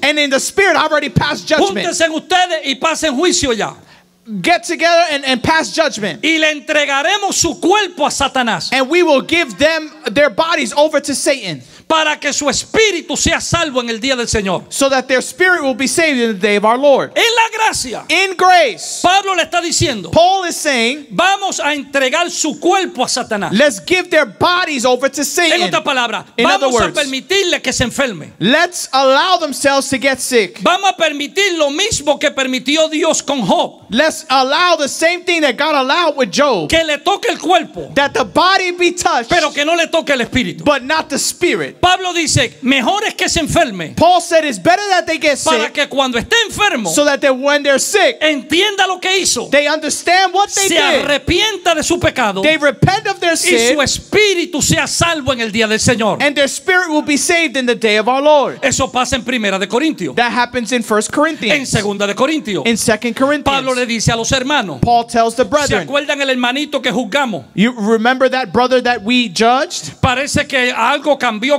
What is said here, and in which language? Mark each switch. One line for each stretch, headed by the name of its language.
English: And in the spirit, I've already passed judgment.
Spanish: Júntense ustedes y pasen juicio ya.
English: Get together and pass judgment.
Spanish: Y le entregaremos su cuerpo a Satanás.
English: And we will give them their bodies over to Satan.
Spanish: Para que su espíritu sea salvo en el día del Señor.
English: So that their spirit will be saved in the day of our Lord.
Spanish: En la gracia.
English: In grace.
Spanish: Pablo le está diciendo.
English: Paul is saying.
Spanish: Vamos a entregar su cuerpo a Satanás.
English: Let's give their bodies over to Satan.
Spanish: En otra palabra.
English: In
Spanish: vamos
English: other words,
Spanish: a permitirle que se enferme.
English: Let's allow themselves to get sick.
Spanish: Vamos a permitir lo mismo que permitió Dios con Job.
English: Let's allow the same thing that God allowed with Job.
Spanish: Que le toque el cuerpo.
English: That the body be touched.
Spanish: Pero que no le toque el espíritu.
English: But not the spirit.
Spanish: Pablo dice, mejor es que se enferme.
English: Paul said it's better that they get sick.
Spanish: Para que cuando esté enfermo,
English: so that they, when they're sick,
Spanish: entienda lo que hizo.
English: They understand what they
Spanish: se
English: did.
Spanish: Se arrepienta de su pecado.
English: They repent of their sin.
Spanish: Y su espíritu sea salvo en el día del Señor.
English: And their spirit will be saved in the day of our Lord.
Spanish: Eso pasa en Primera de Corintios.
English: That happens in 1 Corinthians.
Spanish: En Segunda de Corintios.
English: In 2 Corinthians.
Spanish: Pablo le dice a los hermanos.
English: Paul tells the brethren.
Spanish: ¿Se acuerdan el hermanito que juzgamos?
English: You remember that brother that we judged?
Spanish: Parece que algo cambió.